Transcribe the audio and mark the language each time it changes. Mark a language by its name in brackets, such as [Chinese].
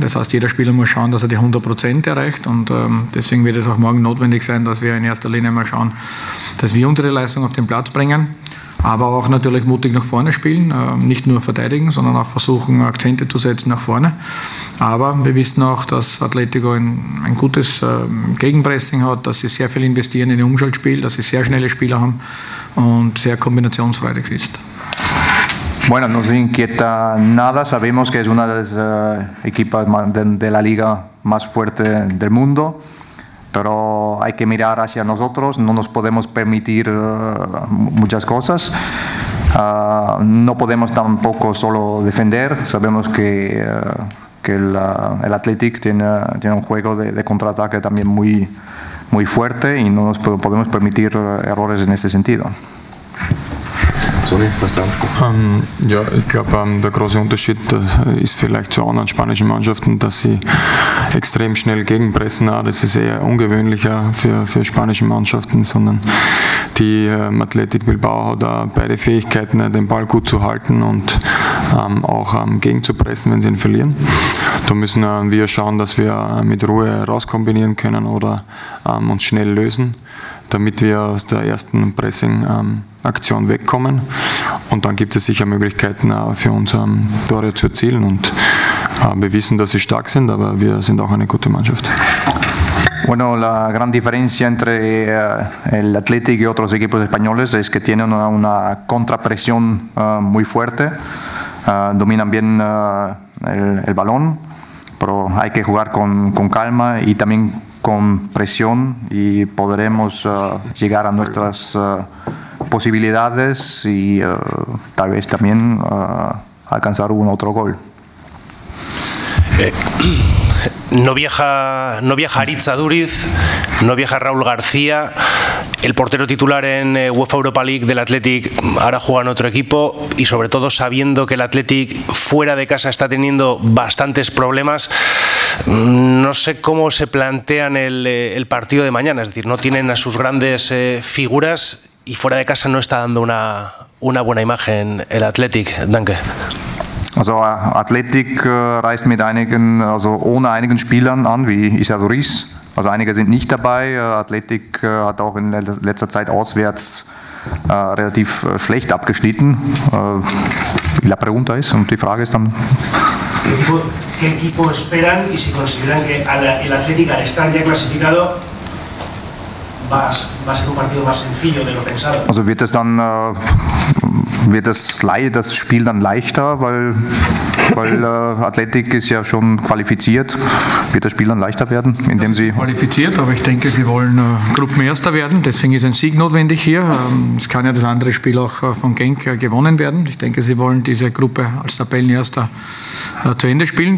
[German] Das heißt, jeder Spieler muss schauen, dass er die 100% erreicht und deswegen wird es auch morgen notwendig sein, dass wir in erster Linie mal schauen, dass wir unsere Leistung auf den Platz bringen, aber auch natürlich mutig nach vorne spielen, nicht nur verteidigen, sondern auch versuchen, Akzente zu setzen nach vorne. Aber wir wissen auch, dass Atletico ein gutes Gegenpressing hat, dass sie sehr viel investieren in ihr Umschaltspiel, dass sie sehr schnelle Spieler haben und sehr kombinationsfreudig ist. [Spanish] Bueno, no se inquieta nada. Sabemos que es una de las equipos de la liga más fuerte del mundo, pero hay que mirar hacia nosotros. No nos podemos permitir muchas cosas. No podemos tampoco solo defender. Sabemos que el Athletic tiene un juego de contraataque también muy muy fuerte y no nos podemos permitir errores en ese sentido. [German] Ja, ich glaube, der große Unterschied ist vielleicht zu anderen spanischen Mannschaften, dass sie extrem schnell gegenpressen. Das ist eher ungewöhnlicher für spanische Mannschaften, sondern die Athletic Bilbao hat auch beide Fähigkeiten, den Ball gut zu halten und auch gegenzupressen, wenn sie ihn verlieren. Da müssen wir schauen, dass wir mit Ruhe rauskombinieren können oder uns schnell lösen, damit wir aus der ersten Pressing-Aktion wegkommen. Und dann gibt es sicher Möglichkeiten für uns, Tore zu erzielen. Und wir wissen, dass sie stark sind, aber wir sind auch eine gute Mannschaft. [Spanish] Bueno, la gran diferencia entre el Athletic y otros equipos españoles es que tienen una contrapresión muy fuerte. Dominan bien el balón, pero hay que jugar con calma y también con presión y podremos llegar a nuestras posibilidades y tal vez también alcanzar un otro gol. No viaja Aritz Aduriz, no viaja Raúl García, el portero titular en UEFA Europa League del Athletic ahora juega en otro equipo y sobre todo sabiendo que el Athletic fuera de casa está teniendo bastantes problemas, no sé cómo se plantean el partido de mañana, es decir, no tienen a sus grandes figuras y fuera de casa no está dando una buena imagen el Athletic. [German] Danke. Also Athletic reist mit einigen, also ohne einigen Spielern an, wie Isaac Ruiz. Also einige sind nicht dabei. Athletic hat auch in letzter Zeit auswärts relativ schlecht abgeschnitten. [Spanish] La pregunta es, [German] und die Frage ist dann... [Spanish] ¿Qué equipo esperan y si consideran que el Athletic, al estar ya clasificado, va a ser un partido más sencillo de lo pensado? [German] Also wird es dann... Wird das Spiel dann leichter, weil Athletic ist ja schon qualifiziert. Wird das Spiel dann leichter werden, indem sie... Qualifiziert, aber ich denke, sie wollen Gruppenerster werden. Deswegen ist ein Sieg notwendig hier. Es kann ja das andere Spiel auch von Genk gewonnen werden. Ich denke, sie wollen diese Gruppe als Tabellenerster zu Ende spielen.